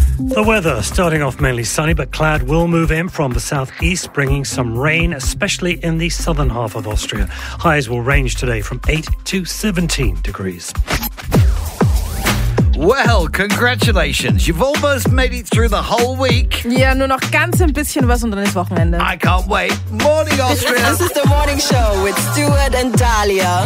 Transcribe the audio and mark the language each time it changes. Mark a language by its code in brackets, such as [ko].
[en] The weather, starting off mainly sunny, but cloud will move in from the southeast, bringing some rain, especially in the southern half of Austria. Highs will range today from 8 to 17 degrees. Well, congratulations. You've almost made it through the whole week. [de] Ja, nur noch ganz ein bisschen was und dann ist Wochenende. [en] I can't wait. Morning, Austria. This is the morning show with Stuart and Dahlia.